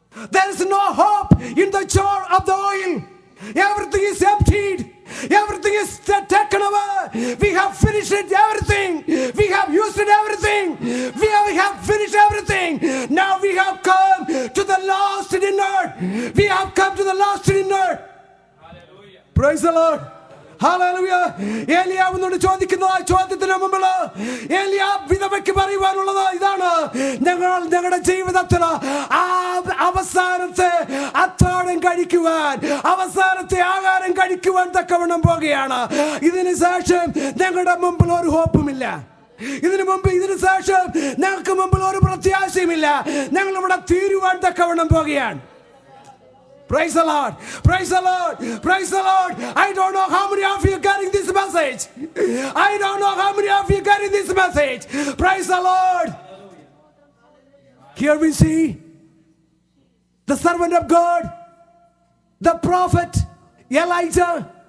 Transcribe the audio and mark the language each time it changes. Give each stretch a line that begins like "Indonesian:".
English: There is no hope in the jar of the oil. Everything is emptied. Everything is taken away. We have finished it, everything. We have used it, everything. We have finished everything. Now we have come to the last dinner. We have come to the last dinner. Hallelujah. Praise the Lord.
Malayalam: Hallelujah ഏലിയാവിനോട് ചോദിക്കുന്നത് ആ ചോദ്യത്തിന് മുമ്പില് ഏലിയാ വിധവയ്ക്ക് പറയുവാനുള്ളത് ഇതാണ്, ഞങ്ങൾ ഞങ്ങളുടെ ജീവിതത്തിൽ അവസാനത്തെ അത്താഴം കഴിക്കുവാൻ, അവസാനത്തെ ആഹാരം കഴിക്കുവാൻ തക്കവണ്ണം പോകുകയാണ്. ഇതിനു ശേഷം ഞങ്ങളുടെ മുമ്പിൽ ഒരു ഹോപ്പുമില്ല. ഇതിനു മുമ്പ്, ഇതിനു ശേഷം ഞങ്ങൾക്ക് മുമ്പിൽ ഒരു പ്രത്യാശയുമില്ല. ഞങ്ങൾ ഇവിടെ തീരുവാൻ തക്കവണ്ണം പോകുകയാണ്.
English: Praise the Lord. Praise the Lord. Praise the Lord. I don't know how many of you are getting this message. I don't know how many of you are getting this message. Praise the Lord. Here we see the servant of God, the prophet Elijah.